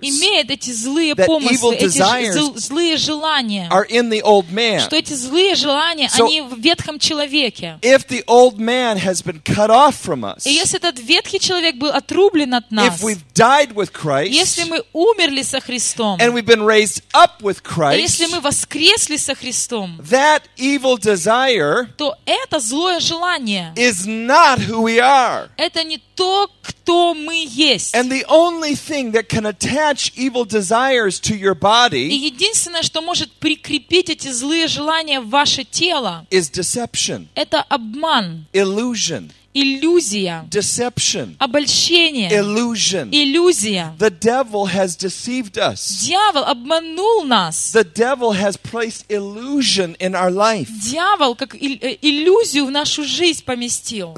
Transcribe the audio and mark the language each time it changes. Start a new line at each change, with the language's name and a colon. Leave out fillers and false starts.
Russian: имеет эти злые помыслы, эти злые желания,
English: are in the old man.
Russian: Что эти злые желания,
English: so,
Russian: они в ветхом человеке.
English: If the old man has been cut off from us,
Russian: и если этот ветхий человек был отрублен от нас,
English: if we've died with Christ,
Russian: если мы умерли со Христом,
English: and we've been raised up with Christ,
Russian: если мы воскресли со Христом,
English: that evil desire,
Russian: то это злое желание
English: is not who we are.
Russian: Это не то, кто мы есть.
English: And the only thing that can attach evil desires to your body,
Russian: и единственное, что может прикрепить эти злые желания в ваше тело,
English: is deception.
Russian: Это обман.
English: Illusion.
Russian: Иллюзия.
English: Deception.
Russian: Обольщение.
English: Illusion.
Russian: Иллюзия.
English: The devil has deceived us.
Russian: Дьявол обманул нас.
English: The devil has placed illusion in our life.
Russian: Дьявол как иллюзию в нашу жизнь поместил.